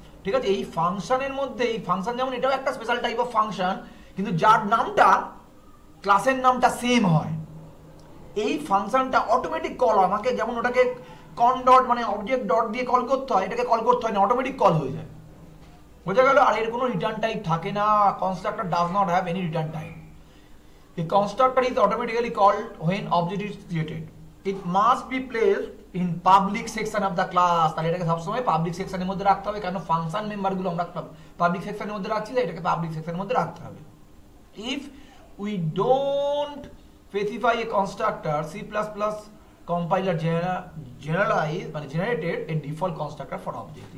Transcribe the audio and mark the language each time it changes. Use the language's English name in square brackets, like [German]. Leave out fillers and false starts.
[Bangla] ঠিক আছে, এই ফাংশনের মধ্যে এই ফাংশন যেমন এটাও একটা স্পেশাল টাইপ অফ ফাংশন, কিন্তু যার নামটা ক্লাসের নামটা সেম হয় এই ফাংশনটা অটোমেটিক কল হয়, আমাকে যেমন ওটাকে কন ডট মানে অবজেক্ট ডট দিয়ে কল করতে হয় এটাকে কল করতে হয় না, অটোমেটিক কল হয়ে যায়, বোঝা গেল। আর এর কোনো রিটার্ন টাইপ থাকে না, [English] Constructor does not have any return type. The constructor is automatically called when object is created. It must be placed in public section of the class. [Bangla] তাহলে এটাকে সবসময় পাবলিক সেকশনের মধ্যে রাখতে হবে, কারণ ফাংশন মেম্বারগুলো আমরা পাবলিক সেকশনের মধ্যে রাখছি, তাই এটাকে পাবলিক সেকশনের মধ্যে রাখতে হবে। [English] If we don't specify a constructor, C++ compiler generalize [Bangla] মানে [English] generated a default constructor for object.